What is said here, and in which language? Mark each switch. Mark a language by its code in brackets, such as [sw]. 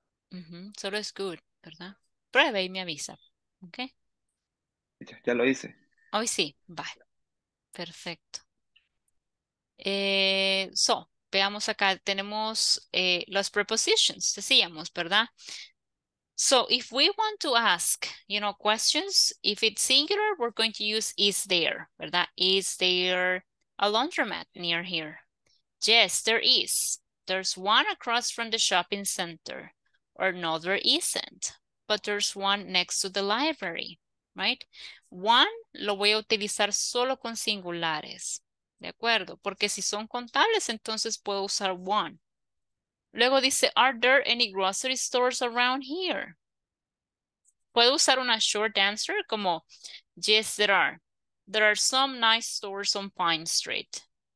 [es] Uh-huh. Solo es good, ¿verdad? Pruebe y me avisa. ¿Ok? Ya, ya lo hice. Hoy sí, bye. Perfecto. So, veamos acá, tenemos las prepositions, decíamos, ¿verdad? [en] So, if we want to ask, you know, questions, if it's singular, we're going to use is there, [es] ¿verdad? [en] Is there a laundromat near here? Yes, there is. There's one across from the shopping center. Or no, there isn't. But there's one next to the library, right? [es] One lo voy a utilizar solo con singulares. ¿De acuerdo? Porque si son contables, entonces puedo usar one. Luego dice, [en] are there any grocery stores around here? [es] Puedo usar una short answer como, [en] yes, there are. There are some nice stores on Pine Street.